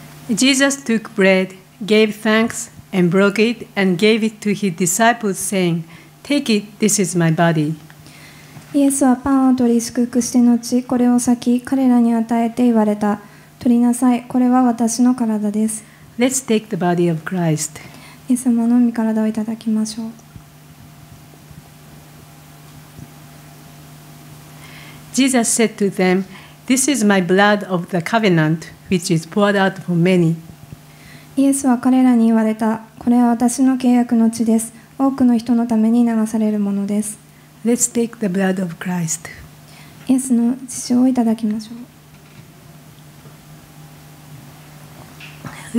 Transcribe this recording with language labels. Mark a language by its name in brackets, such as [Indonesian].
[English] Jesus took bread, gave thanks, and broke it, and gave it to his disciples, saying, Take it, this is my body. [Japanese] イエスはパンを取り祝福して後、これを先、彼らに与えて言われた。取りなさい、これは私の体です。 [English] Let's take the body of Christ. [Japanese] イエス様の御体をいただきましょう。 [English] Jesus said to them, This is my blood of the covenant. Which is poured out for many. [Japanese] イエスは彼らに言われた。これは私の契約の血です。多くの人のために流されるものです。 [English] Let's take the blood of Christ. [Japanese] イエスの血をいただきましょう。